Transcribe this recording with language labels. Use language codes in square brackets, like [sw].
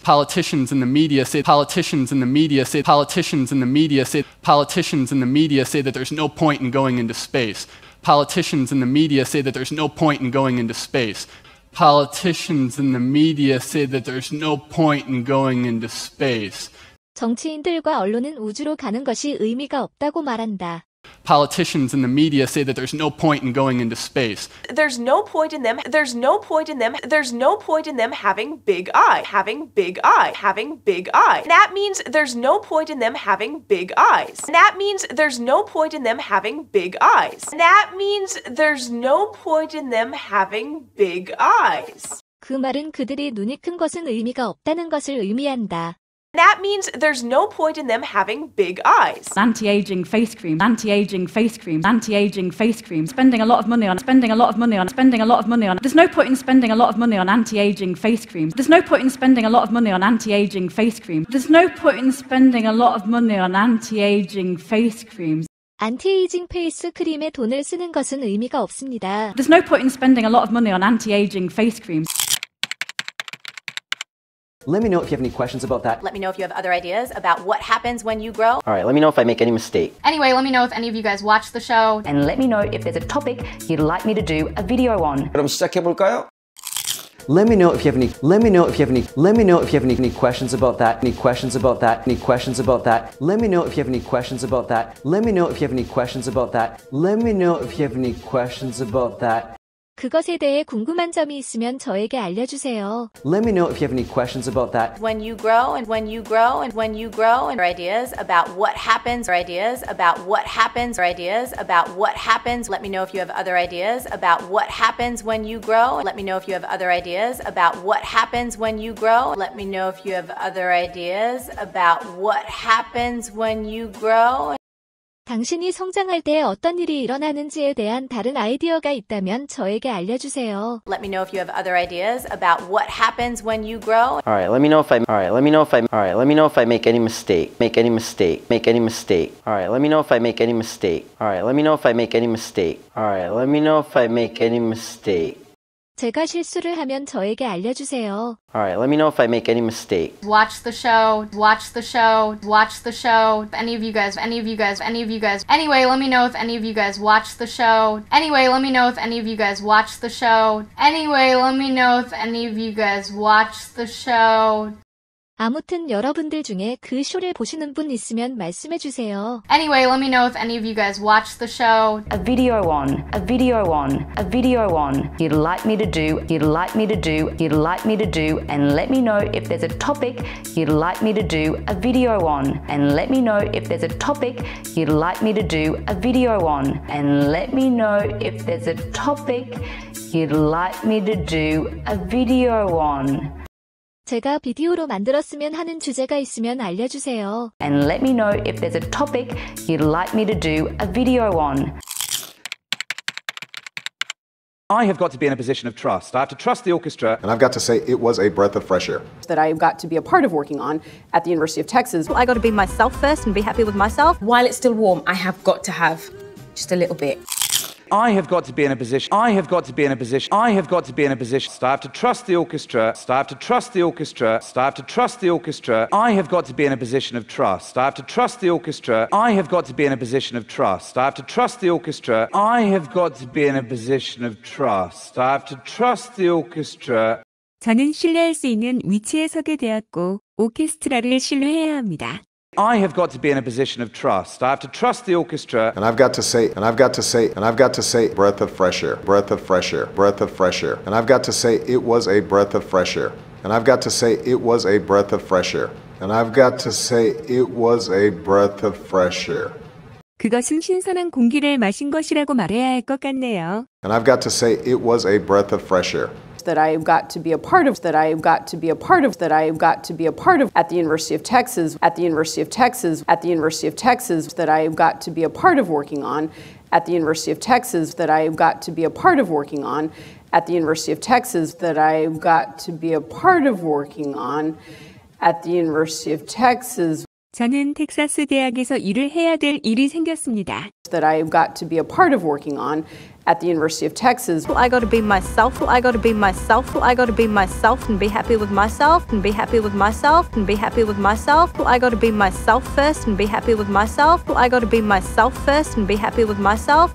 [en] Politicians and the media say, politicians and the media say, politicians and the media say, politicians and the media say that there's no point in going into space. Politicians and the media say that there's no point in going into space. Politicians and the media say that there's no point in going into space. [ko] 정치인들과 언론은 우주로 가는 것이 의미가 없다고 말한다. [en] Politicians and the media say that there's no point in going into space. There's no point in them. There's no point in them. There's no point in them having big eye. Having big eye. Having big eye. That means there's no point in them having big eyes. That means there's no point in them having big eyes. That means there's no point in them having big eyes. [ko] 그 말은 그들이 눈이 큰 것은 의미가 없다는 것을 의미한다. [en] That means there's no point in them having big eyes. Anti-aging face cream, anti-aging face cream, anti-aging face cream. Spending a lot of money on, spending a lot of money on, spending a lot of money on. There's no point in spending a lot of money on anti-aging face cream. There's no point in spending a lot of money on anti-aging face cream. There's no point in spending a lot of money on anti-aging face creams. Anti-aging face cream [ko] 에 돈을 쓰는 것은 의미가 없습니다. [en] There's no point in spending a lot of money on anti-aging face creams. Let me know if you have any questions about that. Let me know if you have other ideas about what happens when you grow. All right, let me know if I make any mistake. Anyway, let me know if any of you guys watch the show. And let me know if there's a topic you'd like me to do a video on. [ko] 그럼 시작해 볼까요? [en] Let me know if you have any, let me know if you have any, let me know if you have any questions about that, any questions about that, any questions about that, let me know if you have any questions about that, let me know if you have any questions about that, let me know if you have any questions about that. [ko] 그것에 대해 궁금한 점이 있으면 저에게 알려주세요. [en] Let me know if you have any questions about that. When you grow and when you grow and when you grow and your ideas about what happens, your ideas about what happens, your ideas about what happens. Let me know if you have other ideas about what happens when you grow. Let me know if you have other ideas about what happens when you grow. Let me know if you have other ideas about what happens when you grow. [ko] 당신이 성장할 때 어떤 일이 일어나는지에 대한 다른 아이디어가 있다면 저에게 알려주세요. [en] Let me know if you have other ideas about what happens when you grow. All right, let me know if I. All right, let me know if I. All right, let me know if I make any mistake. Make any mistake. Make any mistake. All right, let me know if I make any mistake. All right, let me know if I make any mistake. All right, let me know if I make any mistake. [ko] 제가 실수를 하면 저에게 알려주세요. [en] All right, let me know if I make any mistake. Watch the show. Watch the show. Watch the show. Any of you guys, any of you guys, any of you guys. Anyway, let me know if any of you guys watch the show. Anyway, let me know if any of you guys watch the show. Anyway, let me know if any of you guys watch the show. [ko] 아무튼 여러분들 중에 그 쇼를 보시는 분 있으면 말씀해 주세요. [en] Anyway, let me know if any of you guys watch the show. A video on, a video on, a video on. You'd like me to do, you'd like me to do, you'd like me to do. And let me know if there's a topic you'd like me to do a video on. And let me know if there's a topic you'd like me to do a video on. And let me know if there's a topic you'd like me to do a video on. [ko] 제가 비디오로 만들었으면 하는 주제가 있으면 알려주세요. [en] And let me know if there's a topic you'd like me to do a video on. I have got to be in a position of trust. I have to trust the orchestra. And I've got to say, it was a breath of fresh air. That I've got to be a part of working on at the University of Texas. I got to be myself first and be happy with myself. While it's still warm, I have got to have just a little bit. I have got to be in a position. I have got to be in a position. I have got to be in a position. So I have to trust the orchestra. So I have to trust the orchestra. So I have to trust the orchestra. I have got to be in a position of trust. So I have to trust the orchestra. I have got to be in a position of trust. So I have to trust the orchestra. I have got to be in a position of trust. So I have to trust the orchestra. [ko] 저는 신뢰할 수 있는 위치에 서게 되었고 오케스트라를 신뢰해야 합니다. [en] I have got to be in a position of trust. I have to trust the orchestra. And I've got to say, and I've got to say, and I've got to say, breath of fresh air, breath of fresh air, breath of fresh air. And I've got to say, it was a breath of fresh air. And I've got to say, it was a breath of fresh air. And I've got to say, it was a breath of fresh air. [ko] 그것은 신선한 공기를 마신 것이라고 말해야 할 것 같네요. [en] And I've got to say, it was a breath of fresh air. That I've got to be a part of, that I've got to be a part of, that I've got to be a part of at the University of Texas, at the University of Texas, at the University of Texas, that I've got to be a part of working on at the University of Texas, that I've got to be a part of working on at the University of Texas, that I've got to be a part of working on at the University of Texas. [ko] 저는 텍사스 대학에서 일을 해야 될 일이 생겼습니다. [en] That I've got to be a part of working on at the University of Texas. Well, I got to be myself. Well, I got to be myself. Well, I got to be myself and be happy with myself and be happy with myself and be happy with myself. Well, I got to be myself first and be happy with myself. Well, I got to be myself first and be happy with myself.